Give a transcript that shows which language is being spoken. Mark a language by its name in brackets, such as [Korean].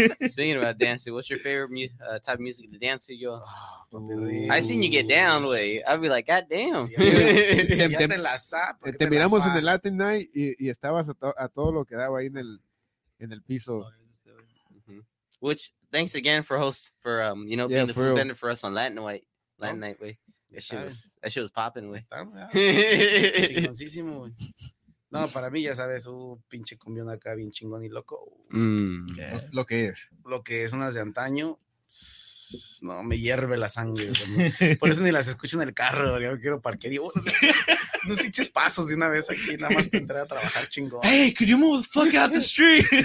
[English] Speaking about dancing, what's your favorite type of music to dance to, yo? I seen you get down, way. I'd be like, God damn. [Spanish] Te miramos en el Latin night y estabas a todo lo que daba ahí en el piso. Mm-hmm. [English] Which, thanks again for being the food real vendor for us on Latin White. Latin Night, way. That shit was popping, way. [Spanish] Chingoncísimo, way. No, para mí, ya sabes, pinche cumbión acá, bien chingón y loco. Lo que es. Lo que es, unas de antaño. No, me hierve la sangre. Por eso ni las escucho en el carro. Yo quiero parquear y unos pinches pasos de una vez aquí, nada más que entrar a trabajar chingón. [English] Hey, could you move the fuck out the street?